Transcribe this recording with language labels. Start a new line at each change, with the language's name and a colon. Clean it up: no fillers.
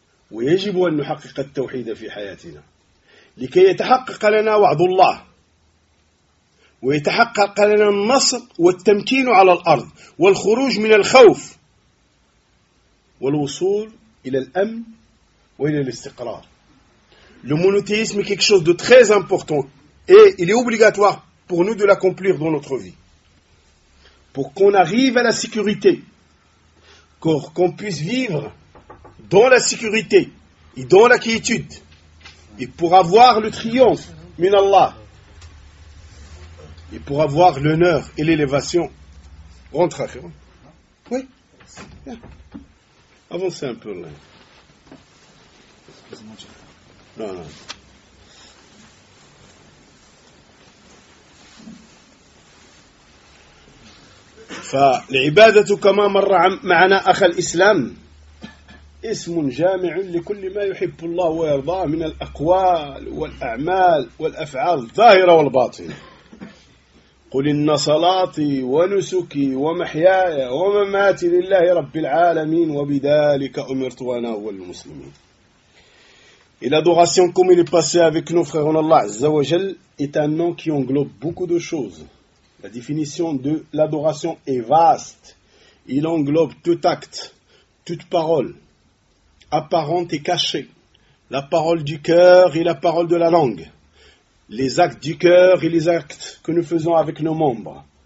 Arabic: ويجب أن نحقق التوحيد في حياتنا لكي يتحقق لنا وعد الله ويتحقق لنا النصر والتمكين على الأرض والخروج من الخوف والوصول إلى الأمن وإلى الاستقرار.
French: Le monothéisme est quelque chose de très important et il est obligatoire pour nous de l'accomplir dans notre vie pour qu'on arrive à la sécurité, qu'on puisse vivre dans la sécurité et dans la quiétude, et pour avoir le triomphe, minallah, et pour avoir l'honneur et l'élévation. Rentre à faire. Oui. Avancez un peu là. Non.
Arabic: فالعبادة كما مر معنا أخ الإسلام اسم جامع لكل ما يحب الله ويرضاه من الأقوال والأعمال والأفعال الظاهرة والباطنة. قل إن صلاتي ونسكي ومحياي ومماتي لله رب العالمين وبذلك أمرت وأنا أول المسلمين.
French: Et l'adoration, comme il est passé avec nous, frères en Allah, Azza wa Jal, est un nom qui englobe beaucoup de choses. La définition de l'adoration est vaste. Il englobe tout acte, toute parole, apparente et cachée, la parole du cœur et la parole de la langue, les actes du cœur et les actes que nous faisons avec nos membres.